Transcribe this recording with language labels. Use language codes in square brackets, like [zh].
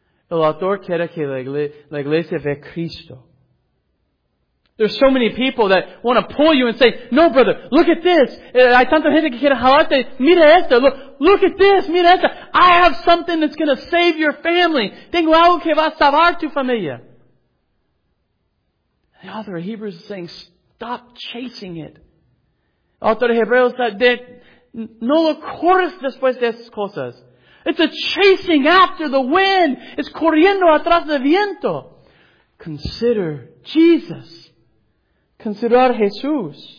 [es] El autor quiere que la iglesia vea Cristo. [en] There's so many people that want to pull you and say, no, brother, look at this. [es] Hay tanta gente que quiere jalarte. Mira esto. [en] Look at this. [es] Mira esto. [en] I have something that's going to save your family. [es] Tengo algo que va a salvar tu familia. [en] The author of Hebrews is saying, stop chasing it. [es] El autor de Hebreos dice, no lo corres después de esas cosas. [en] It's a chasing after the wind. It's [es] corriendo atrás del viento. [en] Consider Jesus. [es] Considerar Jesús.